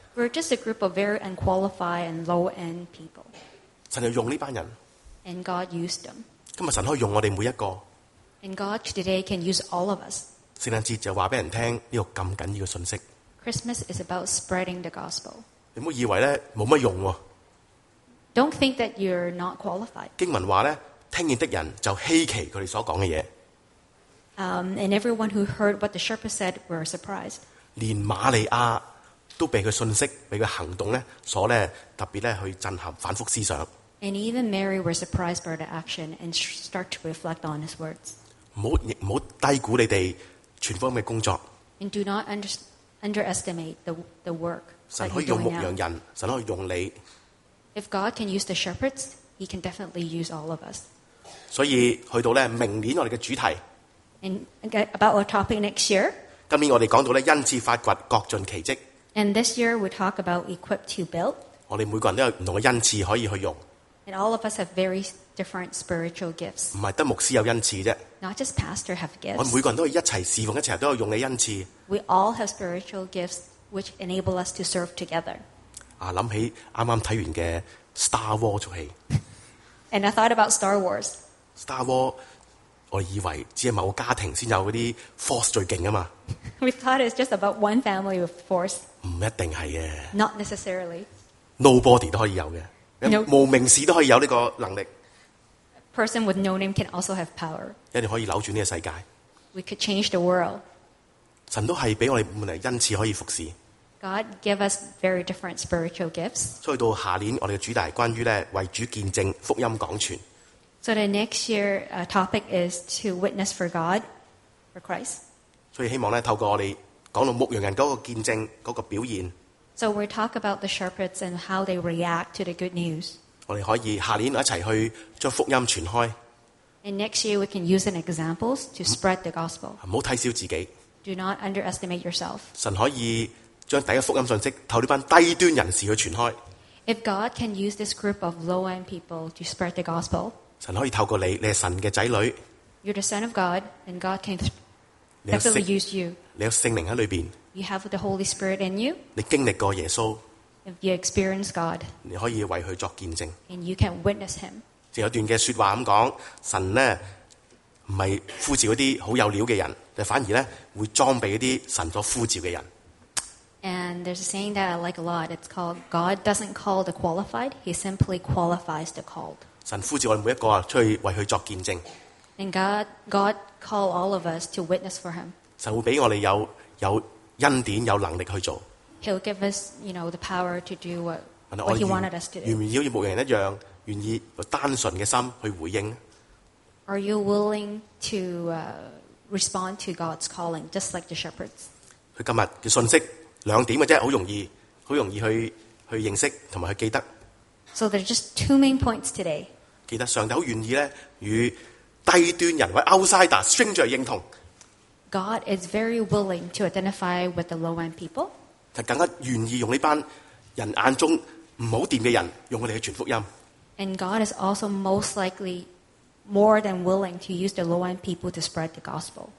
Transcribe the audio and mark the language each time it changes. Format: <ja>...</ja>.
<en>We're just a group of very unqualified and low-end people.</en> <yue>神就用呢班人</yue> <en>，and God used them.</en> <yue>今日神可以用我哋每一个</yue> <en>，and God today can use all of us.</en> <yue>圣诞节就话俾人听呢个咁紧要嘅信息。</yue> <en>Christmas is about spreading the gospel.</en> <yue>你唔好以为咧冇乜用喎。</yue> <en>Don't think that you're not qualified.</en> <yue>经文话咧，听见的人就稀奇佢哋所讲嘅嘢。</yue> <en>And everyone who heard what the shepherd said were surprised.</en> <yue>连玛利亚都被佢信息、被佢行动咧，所咧特别咧去震撼、反复思想。</yue> <en>And even Mary was surprised by the action and start to reflect on his words.</en> <yue>唔好低估你哋传福音嘅工作。</yue> <en>And do not underestimate the work.</en> <yue>神可以用牧羊人，神可以用你。</yue> <en>If God can use the shepherds, He can definitely use all of us.</en> <yue>所以去到咧明年我哋嘅主题。</yue> <en>And about our topic next year.</en> <yue>今年我哋讲到咧恩赐发掘各尽奇迹。</yue> <en>And this year we talk about equip to build.</en> <yue>我哋每个人都有唔同嘅恩赐可以去用。</yue> <en>And all of us have very different spiritual gifts.</en> <yue>唔系得牧师有恩赐啫。</yue> <en>Not just pastor have gifts.</en> <yue>我每个人都一齐侍奉，一齐都有用嘅恩赐。</yue> <en>We all have spiritual gifts which enable us to serve together.</en> <yue>啊，谂起啱啱睇完嘅 Star Wars 出戏。</yue> <en>And I thought about Star Wars.</en> <yue>Star Wars， 我以为只系某个家庭先有嗰啲 Force 最劲啊嘛。</yue> <en>We thought it's just about one family with Force.</en> <yue>唔一定系嘅。</yue> <en>Not necessarily. Nobody</en> <yue>都可以有嘅。</yue> <en>No,</en> <yue>无名氏都可以有呢个能力。</yue> <en>A person with no name can also have power.</en> <yue>一定可以扭转呢个世界。</yue> <en>We could change the world.</en> <yue>神都系俾我哋唔同恩赐可以服侍。</yue> <en>God give us very different spiritual gifts.</en> <yue>所以到下年我哋嘅主题关于咧为主见证福音广传。</yue> <en>So the next year topic is to witness for God, for Christ.</en> <yue>所以希望咧透过我哋讲到牧羊人嗰个见证嗰、那个表现。</yue> <en>So we talk about the shepherds and how they react to the good news.</en> <yue>我哋可以下年一齐去将福音传开。</yue> <en>And next year we can use an examples to spread the gospel.</en> <yue>唔好睇小自己。</yue> <en>Do not underestimate yourself.</en> <yue>神可以将第一福音信息透呢班低端人士去传开。</yue> <en>If God can use this group of low-end people to spread the gospel,</en> <yue>神可以透过你，你系神嘅仔女。</yue> <en>You're the son of God, and God can definitely use you.</en> <yue>你有圣灵喺里边。</yue> <en>You have the Holy Spirit in you.</en> <yue>你经历过耶稣。</yue> <en>If you experience God,</en> <yue>你可以为佢作见证。</yue> <en>And you can witness Him.</en> <yue>有段嘅说话咁讲，神咧唔系呼召嗰啲好有料嘅人，反而咧会装备嗰啲神所呼召嘅人。</yue> <en>And there's a saying that I like a lot. It's called God doesn't call the qualified; He simply qualifies the called.</en> <yue>神呼召我哋每一个啊，出去为佢作见证。</yue> <en>And God call all of us to witness for Him.</en> <yue>神会俾我哋有恩典，有能力去做。</yue> <en>He'll give us, you know, the power to do what He wanted us to do.</en> <yue>愿唔愿意好似牧羊人一样，愿意有单纯嘅心去回应</yue> <en>？Are you willing to respond to God's calling, just like the shepherds?</en> <yue>佢今日嘅信息。两点嘅啫，好容易，好容易去认识同埋去记得。</yue> <en>So there's just two main points today.</en> <yue>记得上帝好愿意咧，与低端人或</yue> <en>outsider stranger</en> <yue>认同。</yue> <en>God is very willing to identify with the low-end people.</en> <yue>就更加愿意用呢班人眼中唔好掂嘅人，用佢哋去传福音。</yue> <en>And God is also most likely more than willing to use the low-end people to spread the gospel.</en>